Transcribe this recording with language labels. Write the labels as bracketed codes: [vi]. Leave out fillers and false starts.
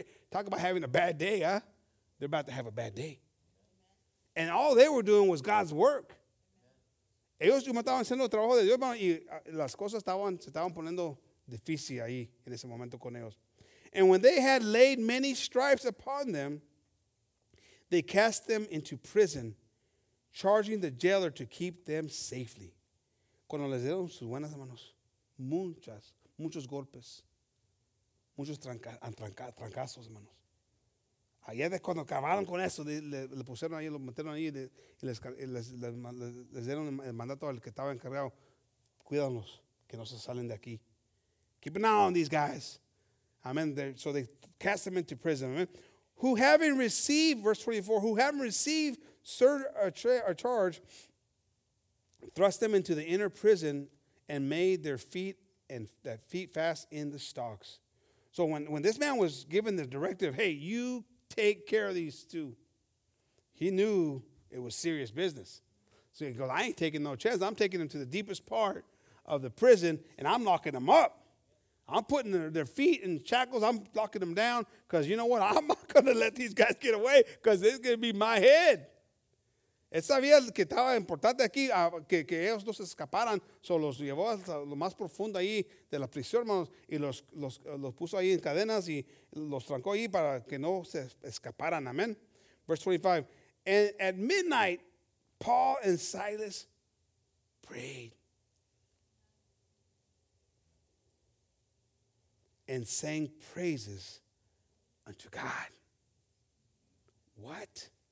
[en] Talk about having a bad day, huh? They're about to have a bad day. And all they were doing was God's work. [es] Ellos estaban haciendo el trabajo de Dios, y las cosas se estaban poniendo difícil ahí en ese momento con ellos. [en] And when they had laid many stripes upon them, they cast them into prison, charging the jailer to keep them safely. [es] Cuando les dieron sus buenas manos, muchos golpes, muchos trancazos, hermanos. Allá de cuando acabaron con eso, le pusieron ahí, lo metieron ahí, y les dieron el mandato al que estaba encargado, cuídanos, que no se salen de aquí. [en] Keep an eye on these guys. Amen. So they cast them into prison. Amen. Who having received, verse 24, who having received a charge, thrust them into the inner prison and made their feet and that feet fast in the stocks. So when this man was given the directive, hey, you take care of these two, he knew it was serious business. So he goes, I ain't taking no chance. I'm taking them to the deepest part of the prison and I'm locking them up. I'm putting their feet in shackles. I'm locking them down because you know what? I'm not going to let these guys get away because it's going to be my head. [es] Él sabía que estaba importante aquí, que ellos no se escaparan. So los llevó hasta lo más profundo ahí de la prisión, hermanos, y los puso ahí en cadenas y los trancó ahí para que no se escaparan. [en] Amen. Verse 25. And at midnight, Paul and Silas prayed and sang praises unto God. What?